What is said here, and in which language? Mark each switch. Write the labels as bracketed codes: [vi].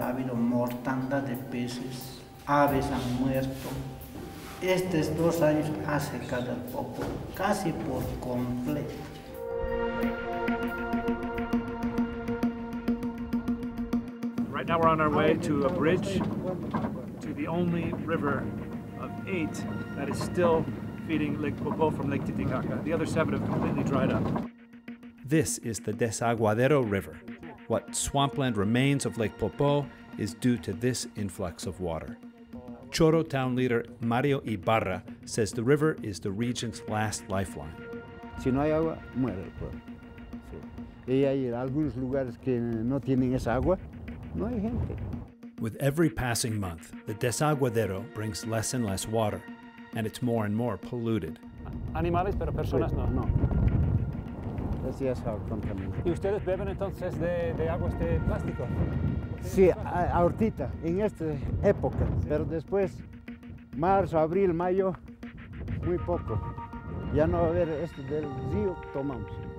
[es] Ha habido mortandad de peces, aves han muerto. Estos dos años ha secado el Popo casi por completo. [en] Right now we're on our way to a bridge to the only river of eight that is still feeding Lake Popo from Lake Titicaca. The other seven have completely dried up. This is the Desaguadero River. What swampland remains of Lake Popo is due to this influx of water. Choro town leader Mario Ibarra says the river is the region's last lifeline. [es] Si no hay agua, muere el pueblo. Y hay algunos lugares que no tienen esa agua, no hay gente. [en] With every passing month, the Desaguadero brings less and less water, and it's more and more polluted. [es] Animales, pero personas no. No. Gracias al contaminante. ¿Y ustedes beben entonces de aguas de plástico? Sí, ahorita, en esta época. Sí. Pero después, marzo, abril, mayo, muy poco. Ya no va a haber esto del río, tomamos.